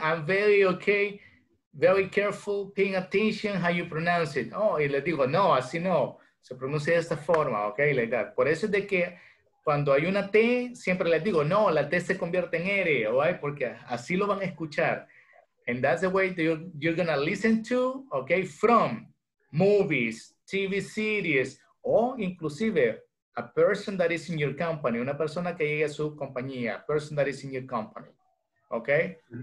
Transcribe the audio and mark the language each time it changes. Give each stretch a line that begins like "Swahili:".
English: I'm very okay, very careful, paying attention how you pronounce it.
Spanish: Oh, y le digo, no, así no. Se pronuncia de esta forma, ¿ok?
English: Like that.
Spanish: Por eso es de que. Cuando hay una T, siempre les digo, no, la T se convierte en R, ¿vale? Porque así lo van a escuchar.
English: And that's the way that you're going to listen to, okay, from movies, TV series,
Spanish: o inclusive
English: a person that is in your company,
Spanish: una persona que llegue a su compañía,
English: a person that is in your company, okay?